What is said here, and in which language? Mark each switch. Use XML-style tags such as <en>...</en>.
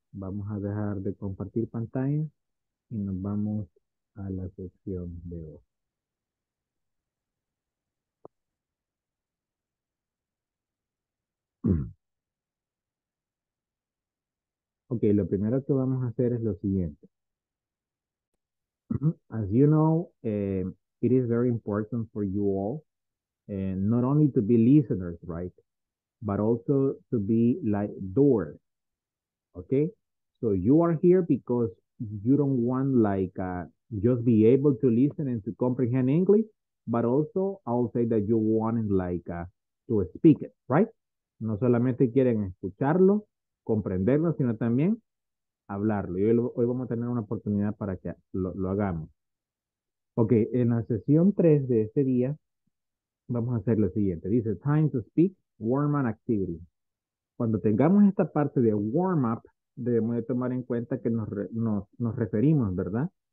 <es>Vamos a dejar de compartir pantalla y nos vamos a la sección de hoy. Ok, lo primero que vamos a hacer es lo siguiente.</es> <en>As you know, it is very important for you all, not only to be listeners, right? But also to be like doors, okay? So you are here because you don't want like just be able to listen and to comprehend English, but also I'll say that you want like to speak it, right?</en> <es>No solamente quieren escucharlo, comprenderlo, sino también hablarlo. Y hoy vamos a tener una oportunidad para que lo hagamos. Ok, en la sesión 3 de este día vamos a hacer lo siguiente. Dice</es> <en>time to speak, warm up activity.</en> <es>Cuando tengamos esta parte de warm up, debemos de tomar en cuenta que nos referimos, ¿verdad?</es>